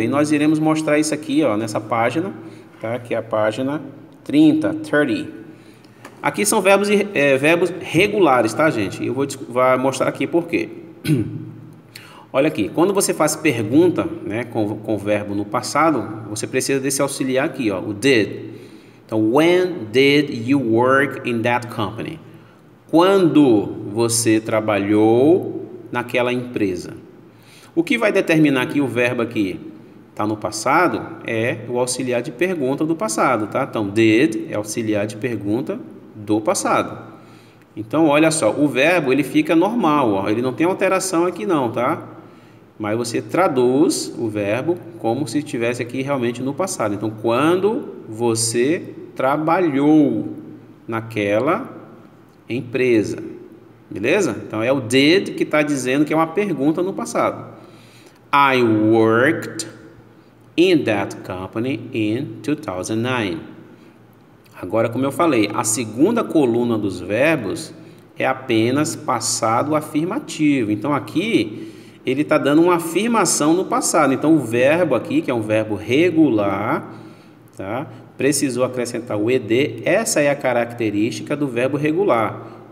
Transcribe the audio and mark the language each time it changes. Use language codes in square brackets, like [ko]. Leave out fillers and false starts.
[pt] E nós iremos mostrar isso aqui, ó, nessa página, tá? Que é a página 30, 30. Aqui são verbos regulares, tá, gente? Eu vou mostrar aqui por quê. Olha aqui, quando você faz pergunta, né, com verbo no passado, você precisa desse auxiliar aqui, ó, o did. Então, [en] when did you work in that company? [pt] Quando você trabalhou naquela empresa? O que vai determinar que o verbo aqui está no passado é o auxiliar de pergunta do passado, tá? Então, did é auxiliar de pergunta do passado. Então, olha só, o verbo ele fica normal, ó, ele não tem alteração aqui não, tá? Mas você traduz o verbo como se estivesse aqui realmente no passado. Então, quando você trabalhou naquela empresa, beleza? Então, é o did que está dizendo que é uma pergunta no passado. [en] I worked in that company in 2009. [pt] Agora, como eu falei, a segunda coluna dos verbos é apenas passado afirmativo. Então, aqui, ele está dando uma afirmação no passado. Então, o verbo aqui, que é um verbo regular, tá? Precisou acrescentar o ed. Essa é a característica do verbo regular.